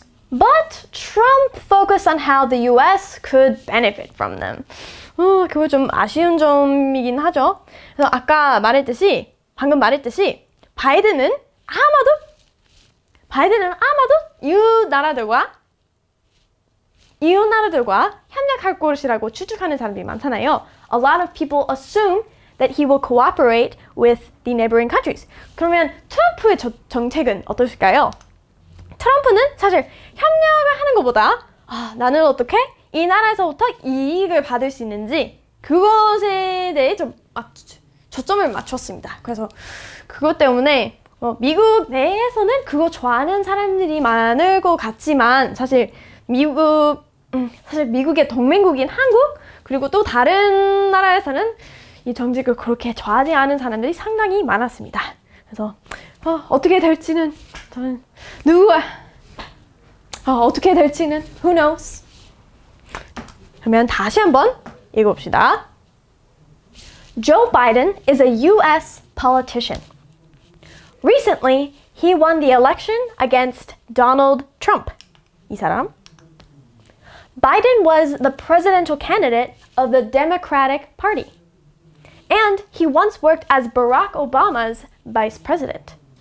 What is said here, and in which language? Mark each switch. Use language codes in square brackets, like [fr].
[en] But Trump focused on how the US could benefit from them. [ko] 그거 좀 아쉬운 점이긴 하죠. 그래서 아까 말했듯이 방금 말했듯이 바이든은 아마도 이웃 나라들과 협력할 것이라고 추측하는 사람들이 많잖아요. [en] A lot of people assume that he will cooperate with the neighboring countries. [ko] 그러면 트럼프의 정책은 어떠실까요? 트럼프는 사실 협력을 하는 것보다 나는 어떻게 이 나라에서부터 이익을 받을 수 있는지 그것에 대해 좀 초점을 맞췄습니다. 그래서 그것 때문에 미국 내에서는 그거 좋아하는 사람들이 많을 것 같지만 사실 미국의 동맹국인 한국 그리고 또 다른 나라에서는 이 정책을 그렇게 좋아하지 않은 사람들이 상당히 많았습니다. 그래서 어떻게 될지는 저는 누구와 어떻게 될지는 [en] who knows. [ko] 그러면 다시 한번 읽어봅시다. [en] Joe Biden is a US politician. Recently, he won the election against Donald Trump. [ko] 이 사람. [en] Biden was the presidential candidate of the Democratic Party. And he once worked as Barack Obama's vice president.